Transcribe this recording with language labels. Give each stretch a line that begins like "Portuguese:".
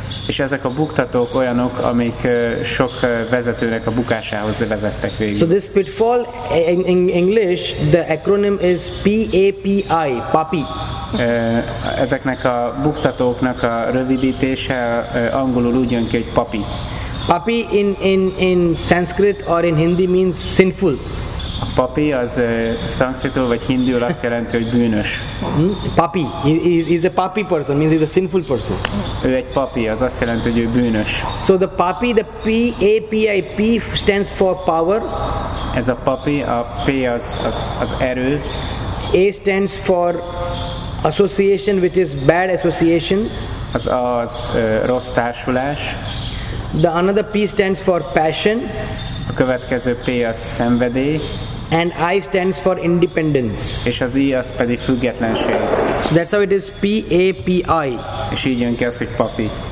Hungarian: És ezek a buktatók olyanok, amik sok vezetőnek a bukásához vezettek végig.
English: So this pitfall in English, the acronym is PAPI, PAPI.
Hungarian: Ezeknek a buktatóknak a rövidítése angolul úgy jön ki, hogy PAPI.
English: PAPI in Sanskrit or in Hindi means sinful.
Hungarian: A PAPI az szanszkritul vagy hindiul azt jelenti, hogy bűnös.
English: PAPI, he is a PAPI person, means he is a sinful person.
Hungarian: Ő egy PAPI, az azt jelenti, hogy ő bűnös.
English: So the PAPI, the P-A-P-I, P stands for power.
Hungarian: Ez a PAPI, a P az erő.
English: A stands for association, which is bad association.
Hungarian: Az rossz társulás.
English: The another P stands for passion.
Hungarian: A következő P az szenvedély.
English: And I stands for independence.
Hungarian: És az I az pedig függetlenség.
English: So that's how it is PAPI.
Hungarian: És így jön ki az, hogy PAPI.